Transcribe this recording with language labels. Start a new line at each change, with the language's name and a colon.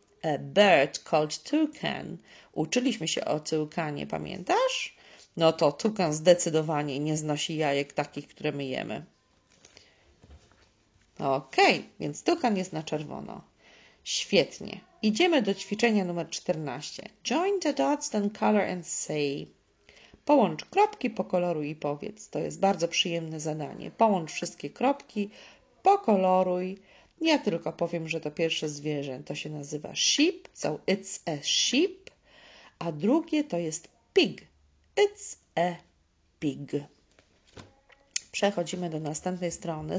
English: A bird called toucan.
Polish: Uczyliśmy się o toucanie, pamiętasz? No to toucan zdecydowanie nie znosi jajek takich, które my jemy. Okej, więc toucan jest na czerwono. Świetnie. Idziemy do ćwiczenia numer 14.
English: Join the dots, then color and say.
Polish: Połącz kropki, pokoloruj i powiedz. To jest bardzo przyjemne zadanie. Połącz wszystkie kropki, pokoloruj. Ja tylko powiem, że to pierwsze zwierzę. To się nazywa sheep,
English: so it's a sheep.
Polish: A drugie to jest pig.
English: It's a pig.
Polish: Przechodzimy do następnej strony.